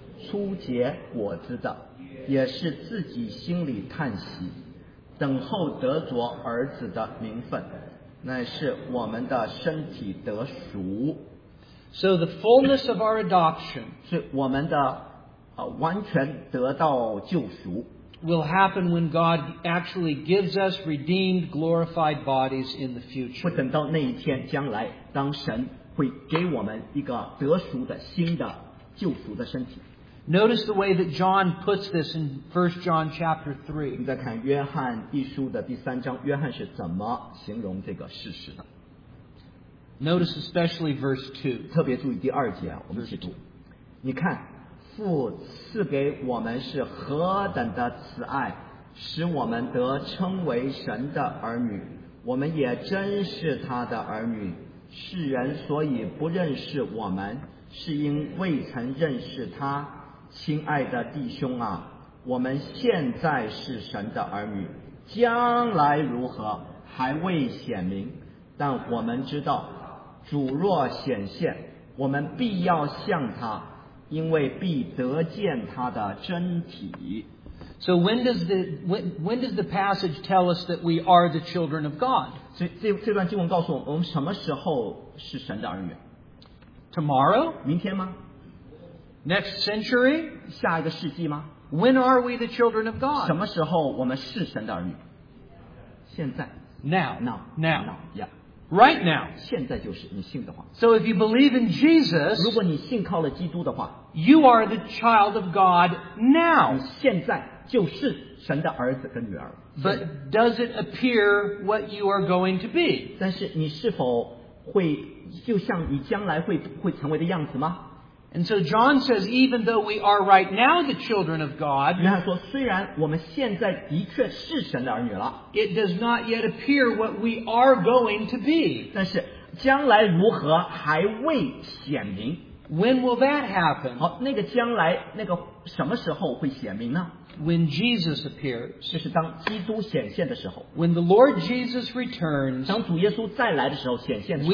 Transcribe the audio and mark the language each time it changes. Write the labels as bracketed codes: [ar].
[zh] 初节我知道，也是自己心里叹息，等候得着儿子的名分，乃是我们的身体得赎。 [en] So the fullness of our adoption [zh] 是我们的完全得到救赎。 [en] Will happen when God actually gives us redeemed, glorified bodies in the future. [zh] 会等到那一天，将来当神会给我们一个得赎的新的救赎的身体。 [en] Notice the way that John puts this in 1 John chapter 3. [zh] 你再看约翰一书的第三章，约翰是怎么形容这个事实的。 [en] Notice especially verse 2. [zh] 特别注意第二节，我们一起读。你看，父赐给我们是何等的慈爱，使我们得称为神的儿女，我们也真是他的儿女。世人所以不认识我们，是因未曾认识他。亲爱的弟兄啊，我们现在是神的儿女，将来如何还未显明，但我们知道主若显现，我们必要向他，因为必得见他的真体。 [en] So when does the passage tell us that we are the children of God? [zh] 所以这段经文告诉我们，我们什么时候是神的儿女？ [en] Tomorrow? [zh] 明天吗？ [en] Next century? [zh] 下一个世纪吗? [en] When are we the children of God? [zh] 什么时候我们是神的儿女? 现在。 [en] Now. Yeah. Right now. [zh] 现在就是你信的话。 [en] So if you believe in Jesus, [zh] 如果你信靠了基督的话, [en] you are the child of God now. [zh] 你现在就是神的儿子跟女儿。 [en] But does it appear what you are going to be? [zh] 但是你是否会就像你将来会成为的样子吗? [en] And so John says, even though we are right now the children of God, [zh] 约翰说，虽然我们现在的确是神的儿女了， [en] it does not yet appear what we are going to be. [zh] 但是将来如何还未显明。 [en] When will that happen? [zh] 好，那个将来，那个什么时候会显明呢？ [en] When Jesus appears. [zh] 就是当基督显现的时候。 [en] When the Lord Jesus returns, [zh] 当主耶稣再来的时候，显现的时候，